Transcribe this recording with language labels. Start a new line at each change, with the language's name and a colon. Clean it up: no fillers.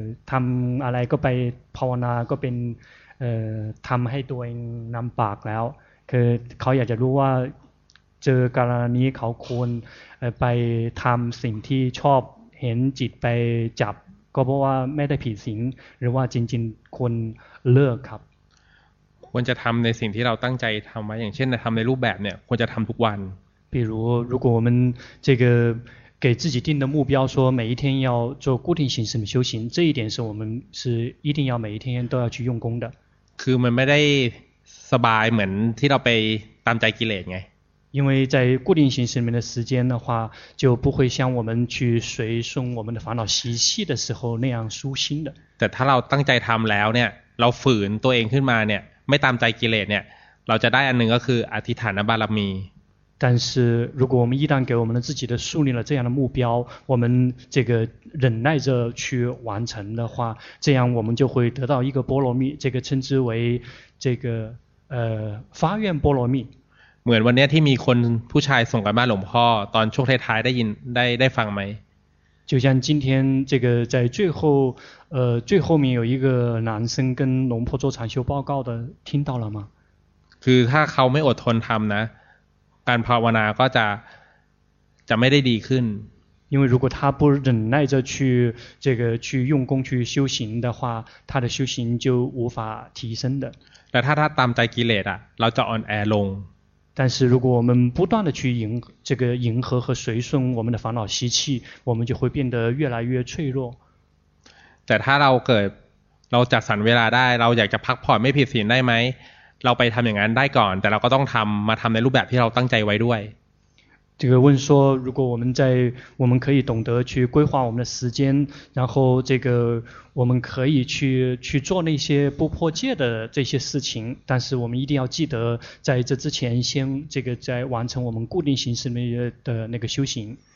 Thai: ทำอะไรก็ไปภาวนาก็เป็นทำให้ตัวเองนำปากแล้วคือเขาอยากจะรู้ว่าเจอกรณีเขาควรไปทำสิ่งที่ชอบเห็นจิตไปจับก็เพราะว่าไม่ได้ผิดศีลหรือว่าจริงๆควรเลิกครับ ควรจะทำในสิ่งที่เราตั้งใจทำไว้อย่างเช่นทำในรูปแบบเนี่ยควรจะทำทุกวัน
Chinese: 比如如果我们这个给自己定的目标说每一天要做固定形式的修行这一点是我们是一定要每一天都要去用功的
Thai: คือมันไม่ได้สบายเหมือนที่เราไปตามใจกิเลสไง
Chinese: 因为在固定形式里面的时间的话就不会像我们去随顺我们的烦恼习气的时候那样舒心的
Thai: แต่ถ้าเราตั้งใจทำแล้วเนี่ยเราฝืนตัวเองขึ้นมาเนี่ยไม่ตามใจกิเลสเนี่ยเราจะได้อันหนึ่งก็คืออธิฐานบารมี
Chinese: 但是如果我们一旦给我们的自己的树立了这样的目标我们这个忍耐着去完成的话这样我们就会得到一个波罗蜜这个称之为这个发愿波罗蜜
Thai: เหมือนวันนี้ที่มีคนผู้ชายส่งกันมาหลวงพ่อตอนช่วงท้ายๆได้ฟังไหม
Chinese: 就像今天这个在最后面有一个男生跟龙婆做禅修报告的听到了吗
Thai: คือถ้าเขาไม่อดทนทำนะการภาวนาก็จะไม่ได้ดีขึ้น
Chinese: 因为如果他不忍耐着去这个去用功去修行的话他的修行就无法提升的
Thai: แต่ถ้าตามใจกิเลสอ่ะเราจะอ่อนแอลง
Chinese: 但是如果我们不断的去迎合和随顺我们的烦恼习气，我们就会变得越来越脆弱。
Thai: แต่ถ้าเราเกิดเราจัดสรรเวลาได้เราอยากจะพักผ่อนไม่ผิดศีลได้ไหมเราไปทำอย่างนั้นได้ก่อนแต่เราก็ต้องทำมาทำในรูปแบบที่เราตั้งใจไว้ด้วย
Chinese: 这个问说，如果我们在，我们可以懂得去规划我们的时间，然后这个我们可以去做那些不破戒的这些事情，但是我们一定要记得在这之前先这个在完成我们固定形式的那个修行。